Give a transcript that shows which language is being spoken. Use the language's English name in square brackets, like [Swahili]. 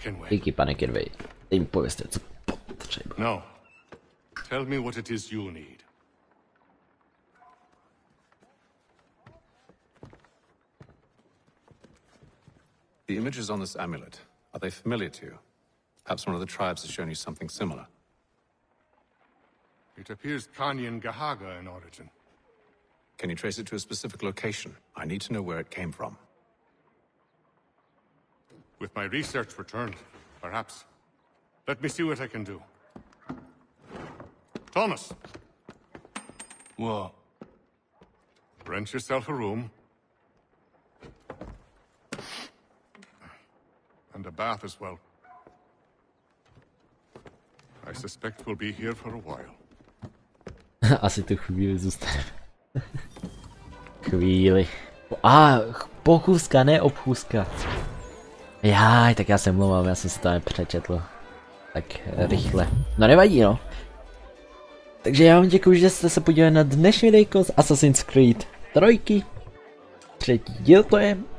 [Czech] Díky, pane Kinway. Teď mi pověste, co potřeba. No. [English] Tell me what it is you need. The images on this amulet, are they familiar to you? Perhaps one of the tribes has shown you something similar. It appears Kanyan Gahaga in origin. Can you trace it to a specific location? I need to know where it came from. With my research returned, perhaps. Let me see what I can do. Thomas! What? Rent yourself a room. And a bath as well. I suspect we'll be here for a while. [Czech] Asi tu chvíli zůstaneme. Chvíli. Ah, pochůzka, ne obchůzka. Jaj, tak já se mluvám, já jsem si to nepřečetl. Tak rychle. No nevadí, no. Takže já vám děkuji, že jste se podívali na dnešní videjko z Assassin's Creed 3. Třetí díl to je.